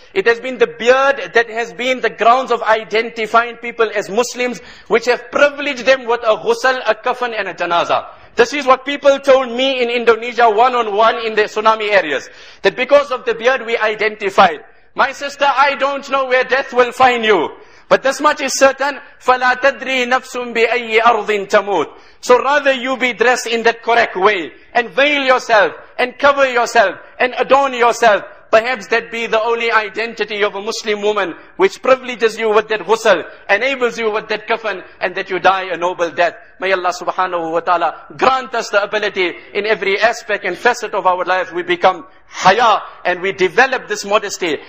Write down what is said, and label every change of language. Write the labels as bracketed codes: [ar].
[en] It has been the beard that has been the grounds of identifying people as Muslims, which have privileged them with a ghusl, a kafan, and a janaza. This is what people told me in Indonesia one-on-one in the tsunami areas. That because of the beard, we identified. My sister, I don't know where death will find you. But this much is certain, [ar] فَلَا تَدْرِي نَفْسٌ بِأَيِّ أَرْضٍ تَمُوتٍ. [en] So rather you be dressed in that correct way, and veil yourself, and cover yourself, and adorn yourself, Perhaps that be the only identity of a Muslim woman, which privileges you with that ghusl, enables you with that kafan, and that you die a noble death. May Allah subhanahu wa ta'ala grant us the ability in every aspect and facet of our life we become haya and we develop this modesty.